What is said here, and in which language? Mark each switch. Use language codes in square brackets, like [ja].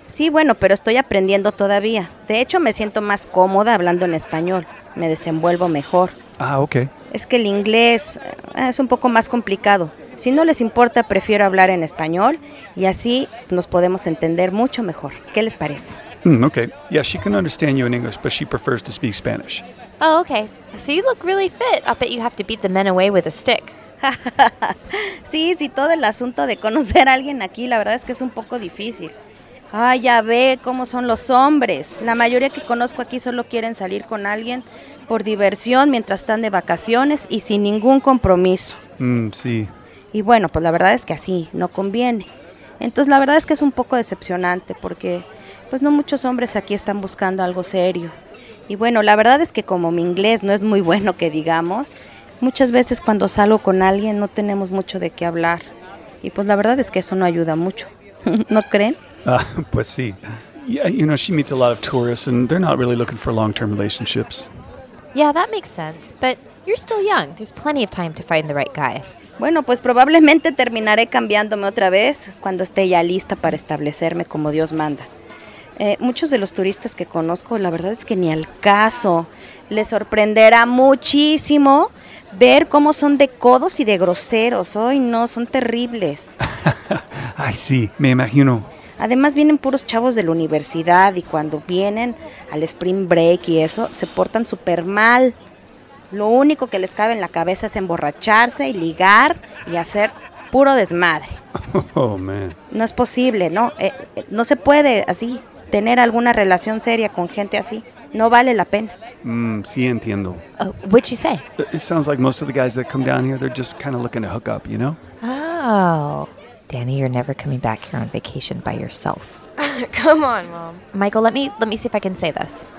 [es] Sí, bueno, pero estoy aprendiendo todavía. De hecho, me siento más cómoda hablando en español. Me desenvuelvo mejor. Ah, ok. Es que el inglés es un poco más complicado. Si no les importa, prefiero hablar en español y así nos podemos entender mucho mejor. ¿Qué les parece? [en] Okay. Yeah, she can understand you in English, but she prefers to speak Spanish. Oh, okay. So you look really fit. I'll bet you have to beat the men away with a stick. [es] Sí, todo el asunto de conocer a alguien aquí, la verdad es que es un poco difícil. Ay, ya ve cómo son los hombres. La mayoría que conozco aquí solo quieren salir con alguien por diversión mientras están de vacaciones y sin ningún compromiso. Sí. Y bueno, pues la verdad es que así no conviene. Entonces la verdad es que es un poco decepcionante porque... Pues no muchos hombres aquí están buscando algo serio. Y bueno, la verdad es que como mi inglés no es muy bueno que digamos, muchas veces cuando salgo con alguien no tenemos mucho de qué hablar. Y pues la verdad es que eso no ayuda mucho. ¿No creen? Pues sí. [en] Yeah, you know, she meets a lot of tourists and they're not really looking for long-term relationships. Yeah, that makes sense. But you're still young. There's plenty of time to find the right guy. [es] Bueno, pues probablemente terminaré cambiándome otra vez cuando esté ya lista para establecerme como Dios manda. Muchos de los turistas que conozco, la verdad es que ni al caso. Les sorprenderá muchísimo ver cómo son de codos y de groseros. Ay, no, son terribles. Ay, sí, me imagino. Además, vienen puros chavos de la universidad y cuando vienen al Spring Break y eso, se portan súper mal. Lo único que les cabe en la cabeza es emborracharse y ligar y hacer puro desmadre. [en] Oh, man. [es] No es posible, ¿no? No se puede así tener alguna relación seria con gente así. No vale la pena. Sí, entiendo. [en] Oh, what'd she say? It sounds like most of the guys that come down here, they're just kind of looking to hook up, you know? Oh. Danny, you're never coming back here on vacation by yourself. Come on, Mom. Michael, let me see if I can say this.